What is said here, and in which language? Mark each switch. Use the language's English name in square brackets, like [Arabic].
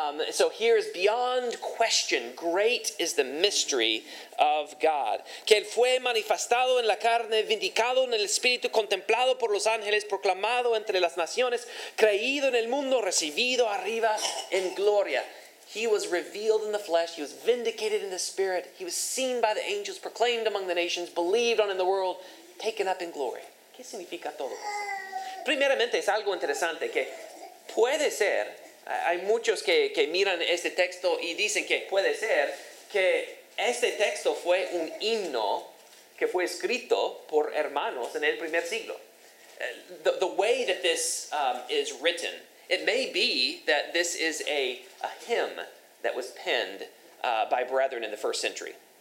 [English] So here is beyond question. Great is the mystery of God. [Spanish] Que él fue manifestado en la carne, vindicado en el espíritu, contemplado por los ángeles, proclamado entre las naciones, creído en el mundo, recibido arriba en gloria. [English] He was revealed in the flesh. He was vindicated in the spirit. He was seen by the angels, proclaimed among the nations, believed on in the world, taken up in glory. [Spanish] ¿Qué significa todo esto? Primeramente, es algo interesante que puede ser. Hay muchos que miran este texto y dicen que puede ser que Este texto fue un himno que fue escrito por hermanos en el primer siglo. [English] The way that this is written, it may be that this is a hymn that was penned by brethren in the first century.